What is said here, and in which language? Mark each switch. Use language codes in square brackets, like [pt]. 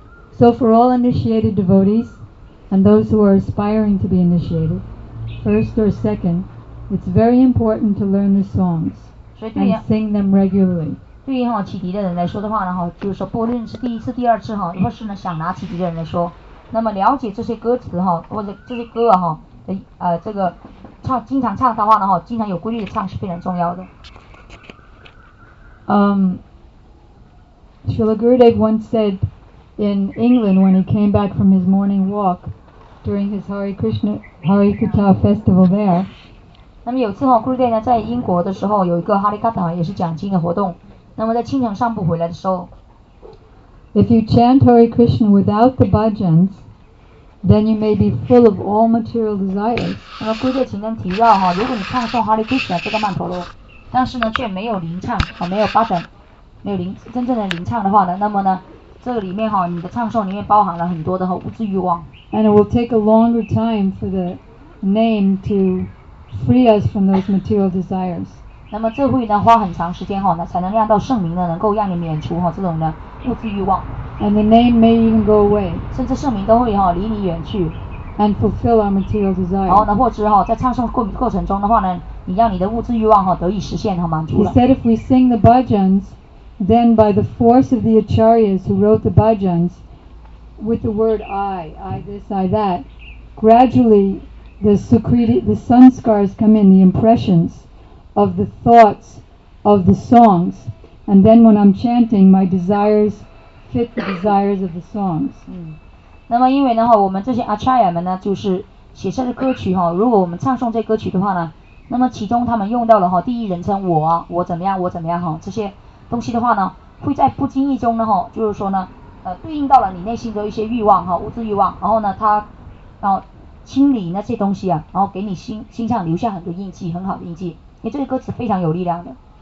[en] So for all initiated devotees and those who are aspiring to be initiated, first or second, it's very important to learn the songs and sing them regularly. [zh] 对于启迪的人来说的话呢，就是说不论是第一次、第二次或是呢想拿启迪的人来说，那么了解这些歌词或者这些歌这个唱经常唱的话呢经常有规律的唱是非常重要的。 [en] Srila Gurudev once said in England when he came back from his morning walk during his Hare Krishna Hare Katha festival there. [zh] 那么有次Gurudev 呢在英国的时候有一个 Hare Katha 也是讲经的活动，那么在清晨散步回来的时候。 [en] If you chant Hare Krishna without the bhajans. Then you may be full of all material desires. [zh] 那么Gurudev曾经提到如果你唱诵Hare Krishna这个曼陀罗，但是呢却没有灵唱没有发展，没有真正的灵唱的话呢，那么呢，这个里面哈，你的唱诵里面包含了很多的哈物质欲望。 [en] And it will take a longer time for the name to free us from those material desires. [zh] 那么这会呢花很长时间哈，那才能让到圣灵呢能够让你免除哈这种的物质欲望。 [en] And the name may even go away. [zh] 甚至圣灵都会哈离你远去。 [en] And fulfill our material desires. [zh] 好，那或者哈在唱诵过程中的话呢，你让你的物质欲望哈得以实现和满足了。 [en] He said if we sing the bhajans. Then by the force of the acharyas who wrote the bhajans with the word I this, I that, gradually the sanskars come in, the impressions of the thoughts of the songs. And then when I'm chanting, my desires fit the desires of the songs. [zh] 那么因为呢我们这些 acharya 们呢就是写下的歌曲哈，如果我们唱诵这歌曲的话呢，那么其中他们用到了哈第一人称我怎么样我怎么样哈这些东西的话呢，会在不经意中呢，哈，就是说呢，对应到了你内心的一些欲望哈，物质欲望，然后呢，它，然后清理那些东西啊，然后给你心上留下很多印记，很好的印记，因为这个歌词非常有力量的。